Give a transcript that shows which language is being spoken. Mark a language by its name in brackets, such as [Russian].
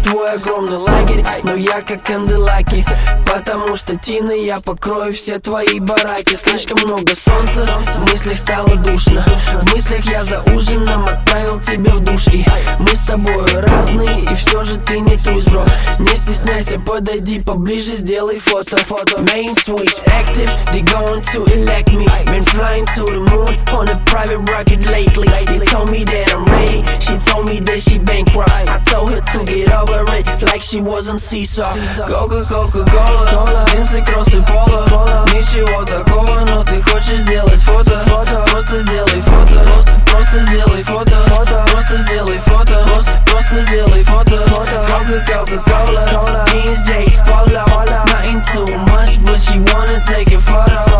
[Russian] Твой огромный лагерь, но я как канделаки, потому что тины я покрою все твои бараки. Слишком много солнца, в мыслях стало душно. В мыслях я за ужином отправил тебя в душ. И мы с тобой разные, и все же ты не туз, бро. Не стесняйся, подойди поближе, сделай фото. [English] Main switch active, they going to elect me. Been flying to the moon on a private rocket lately. They told me that I'm ready, she told me that she bankrupt. I told her to get over it, like she was on Seesaw. [Russian] Coca-Cola, джинсы, кроссы, поло. Ничего такого, но ты хочешь сделать фото. Фото, просто сделай фото. Просто сделай фото. Фото, просто сделай фото. Просто сделай фото. [English] Фото, Coca-Cola, jeans, Jays, поло. Nothing too much, but she wanna take a photo.